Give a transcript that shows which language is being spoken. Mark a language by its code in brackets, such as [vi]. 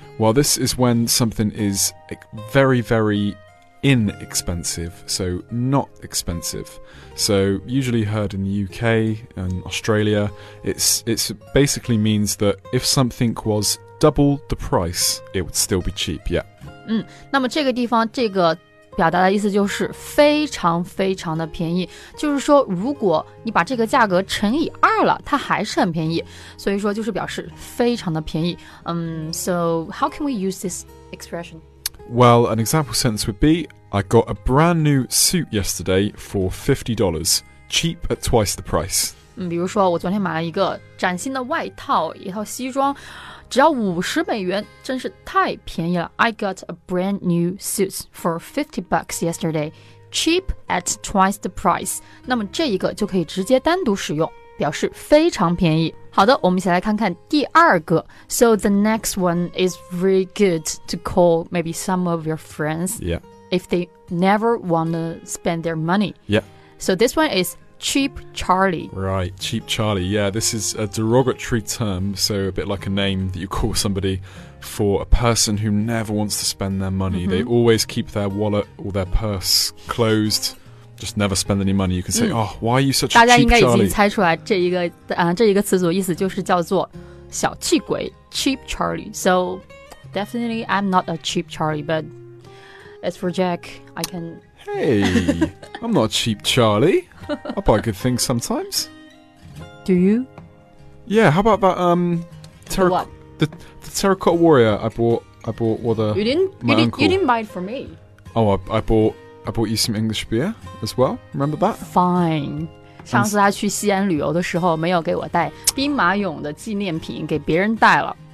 [en] Well, this is when something is very, very inexpensive, so not expensive. So usually heard in the UK and Australia, it's basically means that if something was double the price, it would still be cheap, yeah. [zh] 那么这个地方这个表达的意思就是非常非常的便宜，就是说如果你把这个价格乘以二了，它还是很便宜，所以说就是表示非常的便宜。 [en] So how can we use this expression? Well, an example sentence would be, I got a brand new suit yesterday for $50, cheap at twice the price. [zh] 比如说我昨天买了一个崭新的外套，一套西装，只要50美元，真是太便宜了。 [en] I got a brand new suit for $50 yesterday. Cheap at twice the price. [zh] 那么这一个就可以直接单独使用，表示非常便宜。好的，我们一起来看看第二个。 [en] So the next one is really good to call maybe some of your friends. Yeah. If they never want to spend their money. Yeah. So this one is... Cheap Charlie. Right, Cheap Charlie. Yeah, this is a derogatory term, so a bit like a name that you call somebody for a person who never wants to spend their money. Mm-hmm. They always keep their wallet or their purse closed, just never spend any money. You can say, oh, why are you such a cheap Charlie? [zh] 大家应该已经猜出来这一个词组意思就是叫做小气鬼 Cheap Charlie. [en] So, definitely I'm not a Cheap Charlie, but as for Jack, I can... Hey, I'm not a Cheap Charlie. I buy good things sometimes. Do you? Yeah, how about that, The Terracotta Warrior I bought, what the... You didn't buy it for me. Oh, I bought you some English beer as well, remember that? Fine. [zh] 上次他去西安旅游的时候没有给我带兵马俑的纪念品给别人带了。